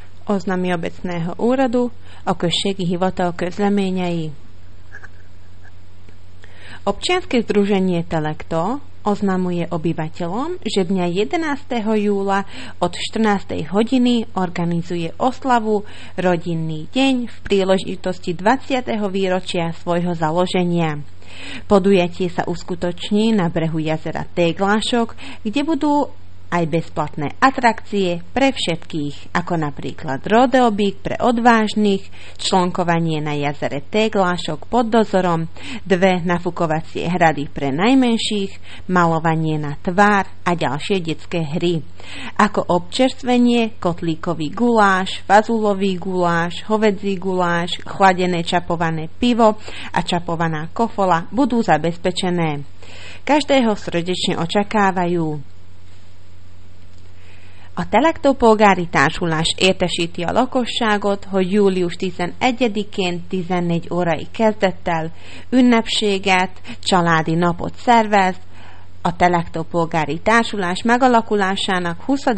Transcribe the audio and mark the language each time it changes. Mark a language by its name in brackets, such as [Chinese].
[Slovak] oznámi obecného úradu, [Hungarian] a községi hivatal közleményei. [Slovak] Občianske združenie Telekto oznamuje obyvateľom, že dňa 11. júla od 14. hodiny organizuje oslavu Rodinný deň v príležitosti 20. výročia svojho založenia. Podujatie sa uskutoční na brehu jazera Téglášok, kde budú aj bezplatné atrakcie pre všetkých, ako napríklad rodeobík pre odvážnych, člnkovanie na jazere Téglášok pod dozorom, dve nafukovacie hrady pre najmenších, malovanie na tvár a ďalšie detské hry, ako občerstvenie, kotlíkový guláš, fazulový guláš, hovädzí guláš, chladené čapované pivo a čapovaná kofola budú zabezpečené. Každého srdečne očakávajú. [Hungarian] A telektópolgári társulás értesíti a lakosságot, hogy július 11-én 14 órai kezdettel ünnepséget, családi napot szervez. A telektópolgári társulás megalakulásának 20.